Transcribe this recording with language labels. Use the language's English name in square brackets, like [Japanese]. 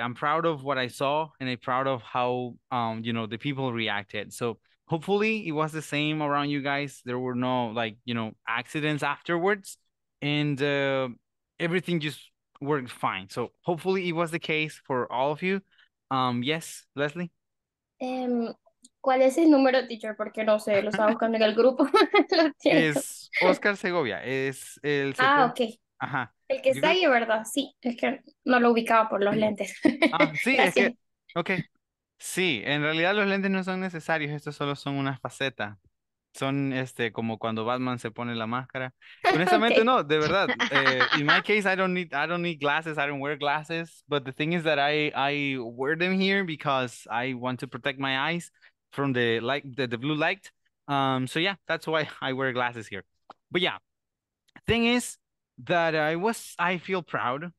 [English] I'm proud of what I saw and I'm proud of how, you know, the people reacted. So hopefully it was the same around you guys. There were no, like, you know, accidents afterwards and everything just worked fine. So hopefully it was the case for all of you. Yes, Leslie? [Spanish] ¿Cuál es el número, teacher? Porque no sé, lo estaba buscando en el grupo. Lo es Oscar Segovia, es el... Ah, ok. Ajá. El que está ahí, ¿verdad? Sí, es que no lo ubicaba por los lentes. Ah, sí, es que... Ok. Sí, en realidad los lentes no son necesarios, estos solo son una faceta. Son este como cuando Batman se pone la máscara. Honestamente, okay. No, de verdad. [English] In my case, I don't need glasses. I don't wear glasses. But the thing is that I wear them here because I want to protect my eyes from the light, the blue light. So yeah, that's why I wear glasses here. But yeah, thing is that I feel proud.